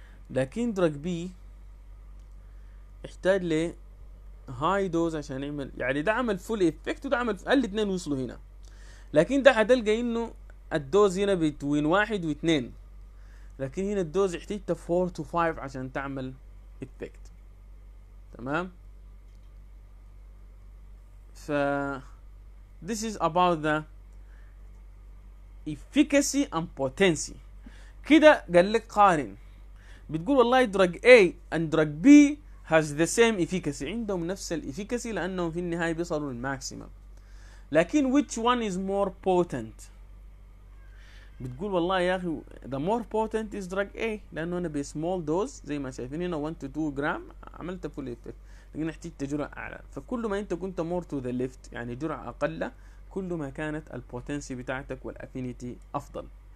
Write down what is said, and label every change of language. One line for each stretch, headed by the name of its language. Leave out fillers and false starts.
Arabic: لكن دراج بي احتاج ل هاي دوز عشان يعمل، يعني ده عمل فول افكت وده عمل الاثنين وصلوا هنا، لكن ده حتلقى انه الدوز هنا بين 1 و2، لكن هنا الدوز احتجت 4 to 5 عشان تعمل افكت.
English: تمام، ف this is about the efficacy and potency.
Arabic: كده قال لك قارن، بتقول والله دراج اي اند دراج بي
English: has the same efficacy،
Arabic: عندهم نفس الافيكاسي لانهم في النهايه بيصلوا للماكسيمم، لكن
English: which one is more potent؟
Arabic: بتقول والله يا اخي
English: the more potent is drug A،
Arabic: لانه انا بسمول دوز زي ما شايفين هنا 1 to 2 جرام عملت فول افكت، لكن احتجت جرعه اعلى، فكل ما انت كنت
English: more to the left
Arabic: يعني جرعه اقل، كل ما كانت البوتنسي بتاعتك والافينيتي افضل.